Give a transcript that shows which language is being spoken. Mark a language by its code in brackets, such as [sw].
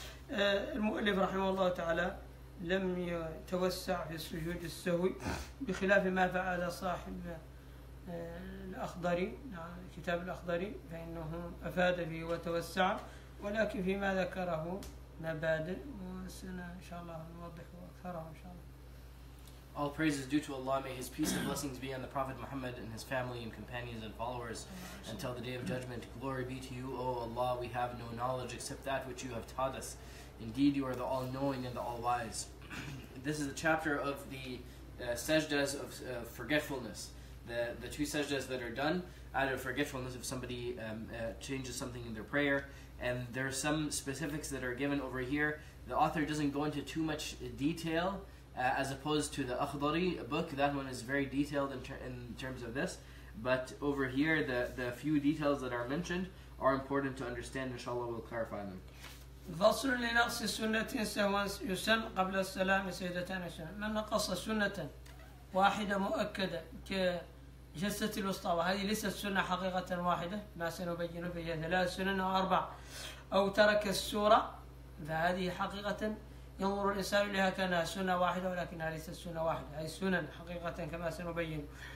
[ar] المؤلف رحمه الله تعالى لم يتوسع في السجود السهوي بخلاف ما فعل صاحب الأخضري كتاب الأخضري فإنه أفاد فيه وتوسع، ولكن فيما ذكره مبادئ وسنة إن شاء الله نوضح أكثره إن شاء الله. [en] All praise is due to Allah. May His peace and blessings be on the Prophet Muhammad and his family and companions and followers until the Day of Judgment. Glory be to you, O Allah. We have no knowledge except that which you have taught us. Indeed, you are the all-knowing and the all-wise. This is a chapter of the sajdas of forgetfulness. The two sajdas that are done out of forgetfulness if somebody changes something in their prayer. And there are some specifics that are given over here. The author doesn't go into too much detail. As opposed to the Akhdari book, that one is very detailed in terms of this. But over here, the few details that are mentioned are important to understand. Inshallah, we'll clarify them. [ar] فصل لنقص سنة سواء يسن قبل السلام سيدتان سنة. من نقص سنة واحدة مؤكدة كجلسة الوسطى، وهذه ليست سنة حقيقة واحدة، ما سنبينه فيها ثلاث سنن أو أربع، أو ترك السورة، فهذه حقيقة ينظر الإنسان إليها كأنها سنة واحدة ولكنها ليست سنة واحدة، أي سنن حقيقة كما سنبين.